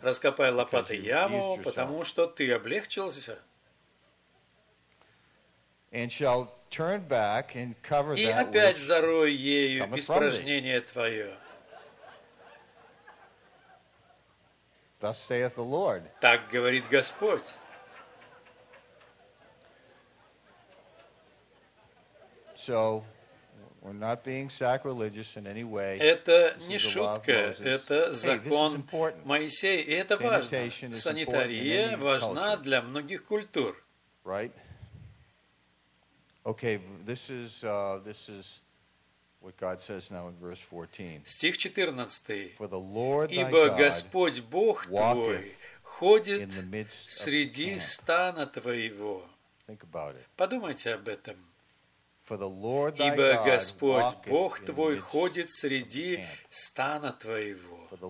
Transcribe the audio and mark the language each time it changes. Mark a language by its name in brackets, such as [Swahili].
[Russian] раскопай лопатой яму, потому что ты облегчился. [English] And shall turn back and cover [Russian] и [English] that [Russian] опять зарой ею испражнение твое. [English] Thus saith the Lord. [Russian] Так говорит Господь. [English] So, we're not being sacrilegious in any way. [Russian] Это не шутка, это закон Моисея, и это важно. Санитария важна для многих культур. [English] Right? Okay, this is what God says now in verse 14. [Russian] Стих 14. [English] For the Lord thy God, [Russian] ибо Господь Бог твой ходит среди стана твоего. [English] Think about it. [Russian] Подумайте об этом. [English] For the Lord thy God, [Russian] ибо Господь Бог твой ходит среди стана твоего.